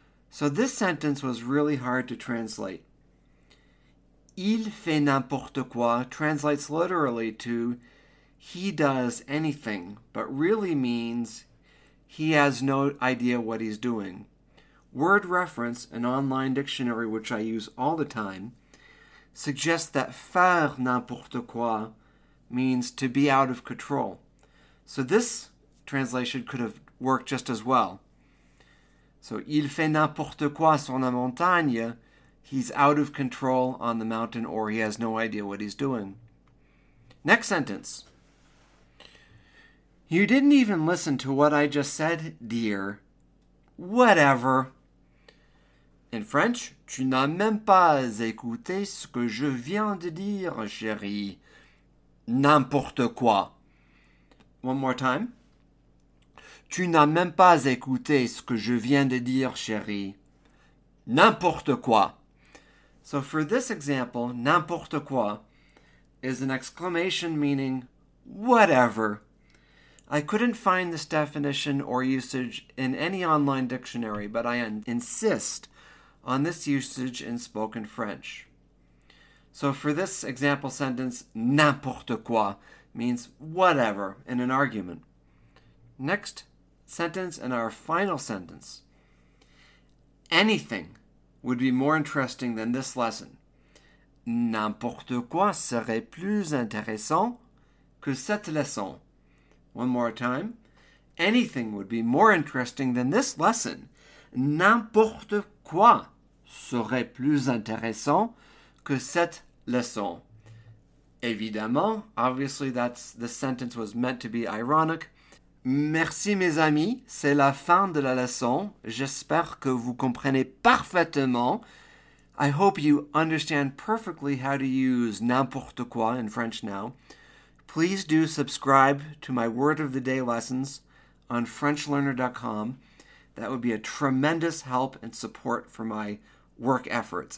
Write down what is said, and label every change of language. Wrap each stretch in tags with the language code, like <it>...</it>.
<en>So this sentence was really hard to translate.</en> <fr>Il fait n'importe quoi</fr> <en>translates literally to he does anything, but really means he has no idea what he's doing. Word Reference, an online dictionary which I use all the time, suggests that</en> <fr>faire n'importe quoi</fr> <en>means to be out of control. So this translation could have worked just as well.</en> <fr>So il fait n'importe quoi sur la montagne.</fr> <en>He's out of control on the mountain, or he has no idea what he's doing. Next sentence. You didn't even listen to what I just said, dear. Whatever.</en> <fr>In French, tu n'as même pas écouté ce que je viens de dire, chérie. N'importe quoi.</fr> <en>One more time.</en> <fr>Tu n'as même pas écouté ce que je viens de dire, chérie. N'importe quoi.</fr> <en>So for this example, n'importe quoi is an exclamation meaning whatever. I couldn't find this definition or usage in any online dictionary, but I insist on this usage in spoken French. So for this example sentence, n'importe quoi means whatever in an argument. Next sentence and our final sentence. Anything would be more interesting than this lesson.</en> <fr>N'importe quoi serait plus intéressant que cette leçon.</fr> <en>One more time. Anything would be more interesting than this lesson.</en> <fr>N'importe quoi serait plus intéressant que cette leçon.</fr> <en>Évidemment, obviously, that's the sentence was meant to be ironic.</en> <fr>Merci mes amis, c'est la fin de la leçon. J'espère que vous comprenez parfaitement.</fr> <en>I hope you understand perfectly how to use n'importe quoi in French now. Please do subscribe to my Word of the Day lessons on FrenchLearner.com. That would be a tremendous help and support for my work efforts.</en>